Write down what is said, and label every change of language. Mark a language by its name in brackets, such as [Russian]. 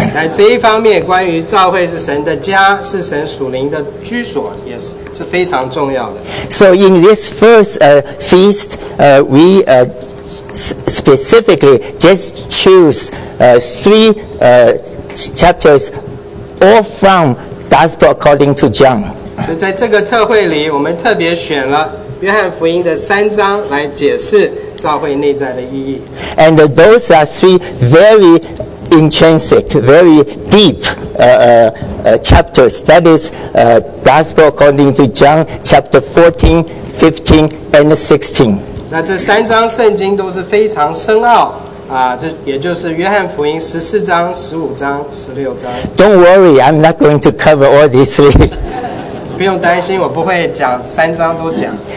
[Chinese] 那这一方面，关于召会是神的家，是神属灵的居所，也是非常重要的。 [English] So in this first feast, we specifically just choose three chapters all from Gospel according to John. [Chinese] 在这个特会里，我们特别选了约翰福音的三章来解释教会内在的意义。 [English] And those are three very intrinsic, very deep chapters. That is Gospel according to John, chapter 14, 15, and 16. [Chinese] 那这三章圣经都是非常深奥。这也就是约翰福音14章、15章、16章。 [English] Don't worry, I'm not going to cover all these three. [Chinese] 不用担心，我不会讲三章都讲。